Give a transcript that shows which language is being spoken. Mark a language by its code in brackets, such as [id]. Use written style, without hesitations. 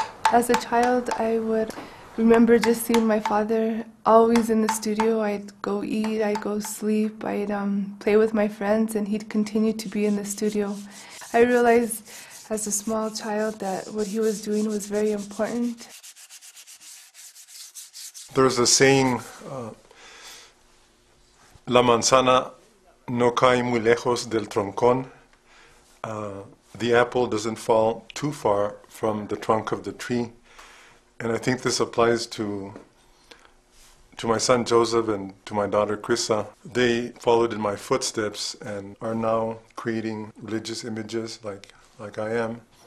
[en] As a child, I would remember just seeing my father always in the studio. I'd go eat, I'd go sleep, I'd play with my friends, and he'd continue to be in the studio. I realized as a small child that what he was doing was very important. There's a saying, [es] la manzana no cae muy lejos del troncón. [en] The apple doesn't fall too far from the trunk of the tree. And I think this applies to my son Joseph and to my daughter Krissa. They followed in my footsteps and are now creating religious images like I am.